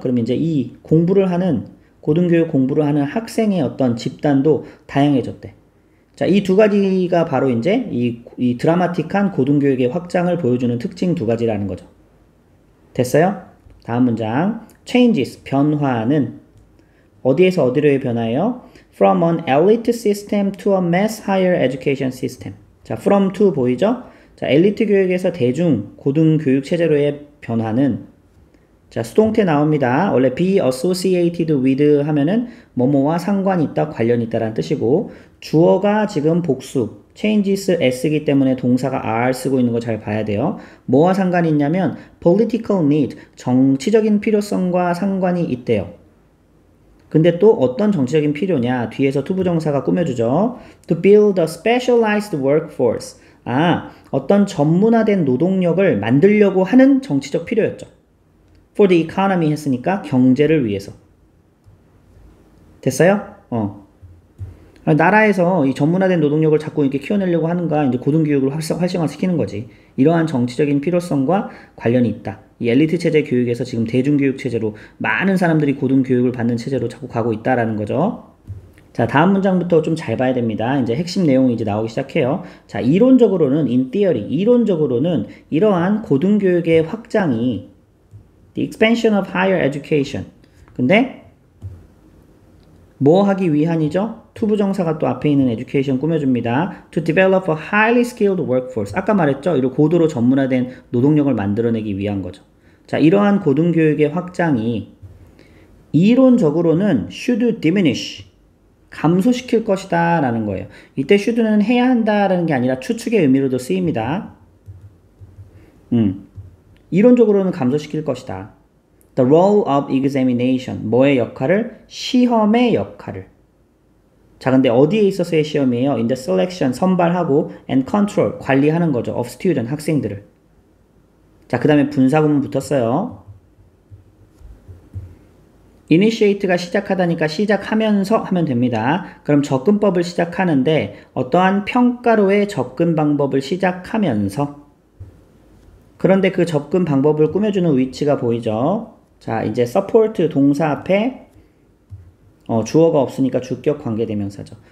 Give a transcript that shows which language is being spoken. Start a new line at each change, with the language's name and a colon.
Korean: 그러면 이제 이 공부를 하는 고등교육 공부를 하는 학생의 어떤 집단도 다양해졌대. 자, 이두 가지가 바로 이제 이 드라마틱한 고등교육의 확장을 보여주는 특징 두 가지라는 거죠. 됐어요? 다음 문장. Changes, 변화는 어디에서 어디로의 변화예요?
English: From an elite system to a mass higher education system.
Korean: 자, from to 보이죠? 자, 엘리트 교육에서 대중, 고등 교육 체제로의 변화는 자, 수동태 나옵니다. 원래
English: be associated with
Korean: 하면은 뭐뭐와 상관 있다, 관련 있다라는 뜻이고 주어가 지금 복수 changes s기 때문에 동사가 r 쓰고 있는 거잘 봐야 돼요. 뭐와 상관이 있냐면
English: political need,
Korean: 정치적인 필요성과 상관이 있대요. 근데 또 어떤 정치적인 필요냐? 뒤에서 to 부정사가 꾸며주죠.
English: To build a specialized workforce.
Korean: 아, 어떤 전문화된 노동력을 만들려고 하는 정치적 필요였죠.
English: For the economy
Korean: 했으니까 경제를 위해서. 됐어요? 나라에서 이 전문화된 노동력을 자꾸 이렇게 키워내려고 하는가, 이제 고등교육을 활성화시키는 거지. 이러한 정치적인 필요성과 관련이 있다. 이 엘리트 체제 교육에서 지금 대중교육 체제로 많은 사람들이 고등교육을 받는 체제로 자꾸 가고 있다라는 거죠. 자, 다음 문장부터 좀잘 봐야 됩니다. 이제 핵심 내용이 이제 나오기 시작해요. 자, 이론적으로는,
English: in theory,
Korean: 이론적으로는 이러한 고등교육의 확장이
English: the expansion of higher education.
Korean: 근데, 뭐 하기 위한이죠? 투부정사가 또 앞에 있는 에듀케이션 꾸며줍니다.
English: To develop a highly skilled workforce.
Korean: 아까 말했죠? 이런 고도로 전문화된 노동력을 만들어내기 위한 거죠. 자, 이러한 고등교육의 확장이 이론적으로는
English: should diminish,
Korean: 감소시킬 것이다 라는 거예요. 이때 should는 해야 한다라는 게 아니라 추측의 의미로도 쓰입니다. 이론적으로는 감소시킬 것이다.
English: The role of examination.
Korean: 뭐의 역할을? 시험의 역할을. 자, 근데 어디에 있어서의 시험이에요?
English: In the selection,
Korean: 선발하고,
English: and control,
Korean: 관리하는 거죠.
English: Of student,
Korean: 학생들을. 자, 그 다음에 분사구문 붙었어요. Initiate가 시작하다니까 시작하면서 하면 됩니다. 그럼 접근법을 시작하는데, 어떠한 평가로의 접근 방법을 시작하면서. 그런데 그 접근 방법을 꾸며주는 위치가 보이죠? 자, 이제 support 동사 앞에 주어가 없으니까 주격 관계대명사죠.